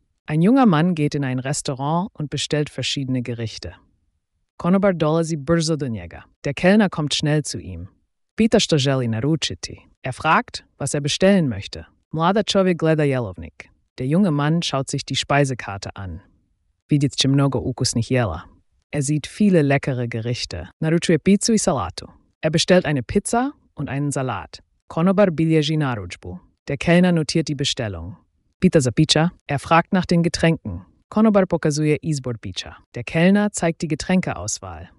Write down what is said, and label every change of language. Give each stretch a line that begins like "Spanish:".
German: Ein junger Mann geht in ein Restaurant und bestellt verschiedene Gerichte.
Croatian: Konobar dolazi brzo do njega.
German: Der Kellner kommt schnell zu ihm.
Croatian: Pita što želi naručiti.
German: Er fragt, was er bestellen möchte.
Croatian: Mlada čovjek gleda jelovnik.
German: Der junge Mann schaut sich die Speisekarte an.
Croatian: Vidjet će mnogo ukusnih jela.
German: Er sieht viele leckere Gerichte.
Croatian: Naručuje pizzu i salatu.
German: Er bestellt eine Pizza und einen Salat.
Croatian: Konobar bilježi naručbu.
German: Der Kellner notiert die Bestellung.
Croatian: Pita za pića.
German: Er fragt nach den Getränken.
Croatian: Konobar pokazuje izbor pića.
German: Der Kellner zeigt die Getränkeauswahl.